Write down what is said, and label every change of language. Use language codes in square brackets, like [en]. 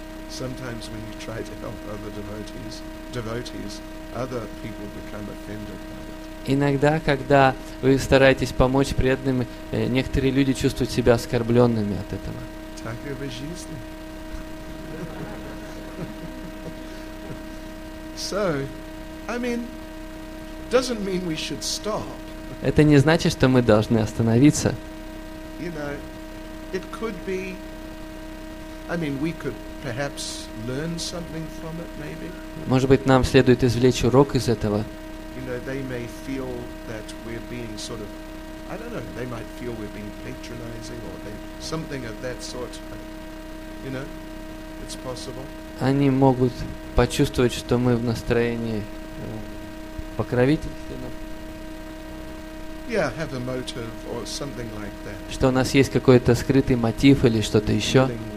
[en] Sometimes when you try to help other devotees, other people become offended by it. [ru] Иногда, когда вы стараетесь помочь преданным, некоторые люди чувствуют себя оскорбленными от этого. Так и в жизни. [en] So, I mean, doesn't mean we should stop. [ru] Это не значит, что мы должны остановиться. [en] You know, it could be. I mean, we could perhaps learn something from it, maybe. [ru] Может быть, нам следует извлечь урок из этого. [en] You know, they may feel that we're being sort of, I don't know, they might feel we're being patronizing or something of that sort. You know, it's possible. [ru] Они могут почувствовать, что мы в настроении покровительственном. [en] Yeah, have a motive or something like that. [ru] Что у нас есть какой-то скрытый мотив или что-то еще.